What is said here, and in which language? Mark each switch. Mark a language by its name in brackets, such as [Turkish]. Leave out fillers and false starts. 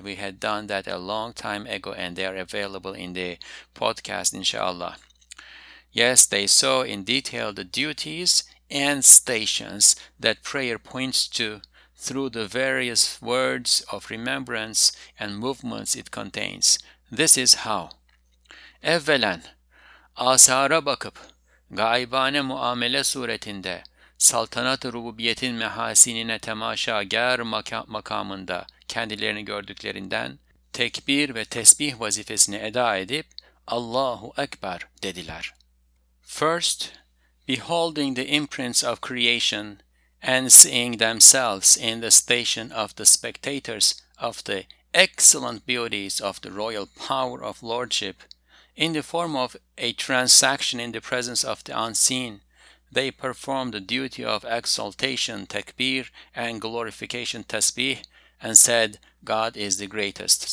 [English] We had done that a long time ago, and they are available in the podcast, inshallah. Yes, they saw in detail the duties and stations that prayer points to through the various words of remembrance and movements it contains. This is how. [Turkish] Evvelen, asara bakıp, gaybane muamele suretinde, saltanat-ı rububiyetin mehasinine temaşagâr makamında kendilerini gördüklerinden tekbir ve tesbih vazifesini eda edip, Allahu Ekber dediler. [English] First, beholding the imprints of creation and seeing themselves in the station of the spectators of the excellent beauties of the royal power of lordship, in the form of a transaction in the presence of the unseen, they performed the duty of exaltation, takbir, and glorification, tasbih, and said, God is the greatest.